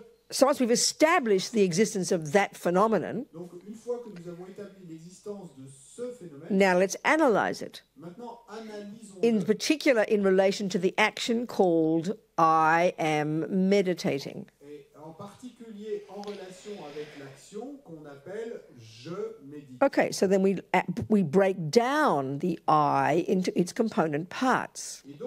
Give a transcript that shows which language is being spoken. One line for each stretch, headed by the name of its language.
English: So once we've established the existence of that phenomenon,
French: donc une fois que nous avons établi l'existence de ce phénomène,
English: now let's analyze it.
French: Maintenant, analysons-le.
English: In particular, in relation to the action called I am meditating.
French: Et en particulier en relation avec l'action qu'on appelle je médite.
English: Okay, so then we break down the I into its component parts.